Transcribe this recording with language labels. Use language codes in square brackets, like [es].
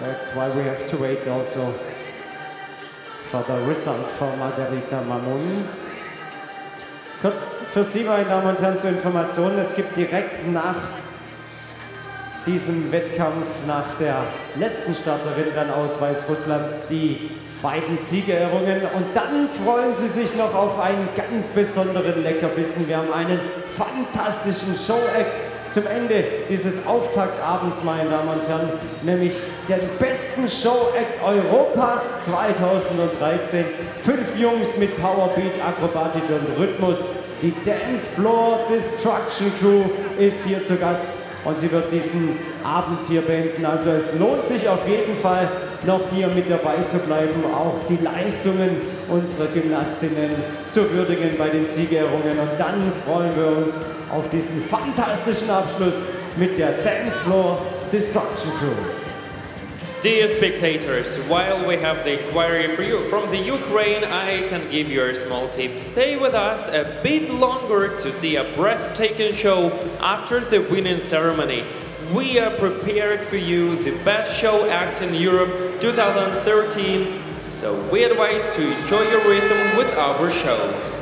[en] That's why we have to wait also for the result from Margarita Mamon. [de] Kurz für Sie, meine Damen und Herren, zur Information. Es gibt direkt nach diesem Wettkampf, nach der letzten Starterin dann aus Weißrussland, die beiden Siegerehrungen. Und dann freuen Sie sich noch auf einen ganz besonderen Leckerbissen. Wir haben einen fantastischen Show-Act zum Ende dieses Auftaktabends, meine Damen und Herren, nämlich den besten Show-Act Europas 2013. Fünf Jungs mit Powerbeat, Akrobatik und Rhythmus. Die Dance Floor Destruction Crew ist hier zu Gast und sie wird diesen Abend hier beenden. Also es lohnt sich auf jeden Fall, noch hier mit dabei zu bleiben, auch die Leistungen unserer Gymnastinnen zu würdigen bei den Siegerehrungen. Und dann freuen wir uns auf diesen fantastischen Abschluss mit der Dance Floor Destruction Crew. [en] Dear spectators, while we have the inquiry for you from the Ukraine, I can give you a small tip. Stay with us a bit longer to see a breathtaking show after the winning ceremony. We are prepared for you the best show act in Europe 2013, so we advise to enjoy your rhythm with our shows.